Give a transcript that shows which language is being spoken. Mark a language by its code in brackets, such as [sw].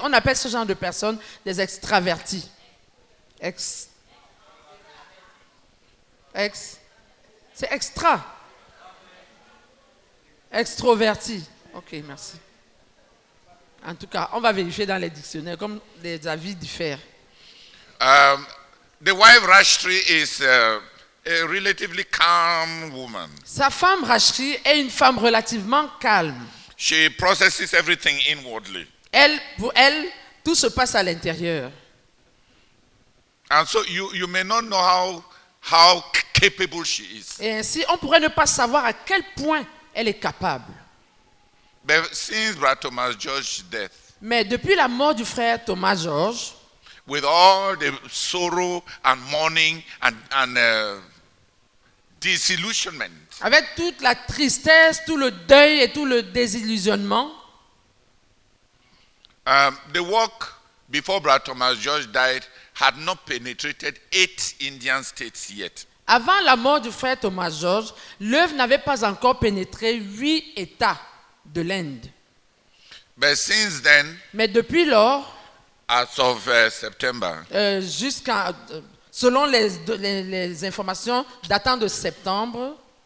[fr] On appelle ce genre de personnes des extravertis. C'est extra. Extroverti. Ok, merci. En tout cas, on va vérifier dans les dictionnaires comme les avis diffèrent. [en] The wife Rashtri is a relatively calm woman. [fr] Sa femme Rashtri est une femme relativement calme. [en] She processes everything inwardly. [fr] Elle, pour elle, tout se passe à l'intérieur. [en] And so you may not know how capable she is. [fr] Et ainsi, on pourrait ne pas savoir à quel point elle est capable. [en] But since Brother Thomas George's death. [fr] Mais depuis la mort du frère Thomas George. [en] With all the sorrow and mourning and disillusionment. [fr] Avec toute la tristesse, tout le deuil et tout le désillusionnement. [en] The work before Brother Thomas George died had not penetrated 8 Indian states yet. [fr] Avant la mort du frère Thomas George, l'œuvre n'avait pas encore pénétré 8 États de l'Inde. [en] But since then, [fr] mais depuis lors, [en] as of September, [fr] jusqu'à, selon les informations datant de septembre,